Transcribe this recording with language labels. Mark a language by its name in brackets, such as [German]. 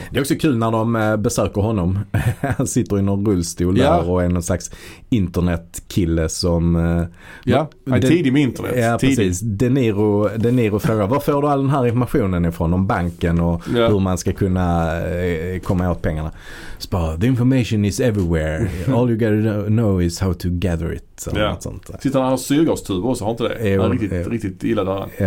[Swedish] Det är också kul när de besöker honom. Han sitter i någon rullstol där och är någon slags internetkille som... Tidig med internet. De Niro frågar, var får du all den här informationen ifrån om banken och hur man ska kunna komma åt pengarna? Så bara, [English] the information is everywhere. All you gotta know is how to gather it. [Swedish] Sitter han och har syrgastuber och så har inte det. Riktigt illa där.